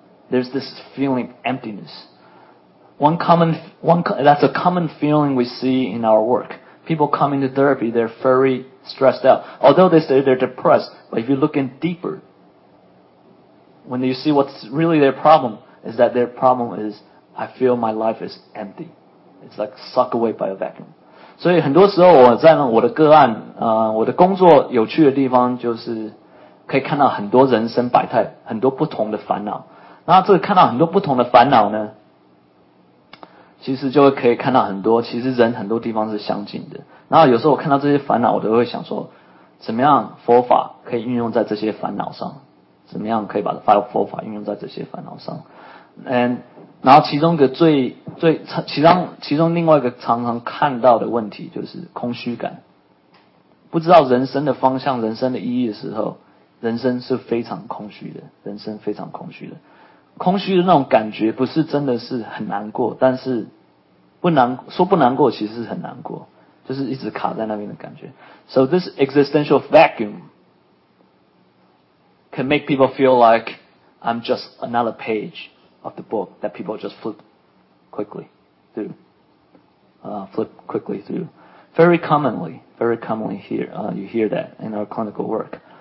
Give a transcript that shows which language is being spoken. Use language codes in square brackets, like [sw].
[en] There's this feeling of emptiness. That's a common feeling we see in our work. People come into therapy, they're very stressed out. Although they say they're depressed, but if you look in deeper, when you see what's really their problem, is that their problem is, I feel my life is empty. It's like sucked away by a vacuum. [zh] 所以很多时候我在我的个案，我的工作有趣的地方就是可以看到很多人生百态，很多不同的烦恼。那这个看到很多不同的烦恼呢，其实就可以看到很多，其实人很多地方是相近的。然后有时候我看到这些烦恼，我都会想说，怎么样佛法可以运用在这些烦恼上？怎么样可以把佛法运用在这些烦恼上？And,然后其中一个其中另外一个常常看到的问题就是空虚感。不知道人生的方向、人生的意义的时候，人生是非常空虚的，人生非常空虚的。空虚的那种感觉不是真的是很难过，但是不难过其实是很难过，就是一直卡在那边的感觉。 [en] So this existential vacuum can make people feel like I'm just another page. Of the book that people just flip quickly through. Very commonly here, you hear that in our clinical work.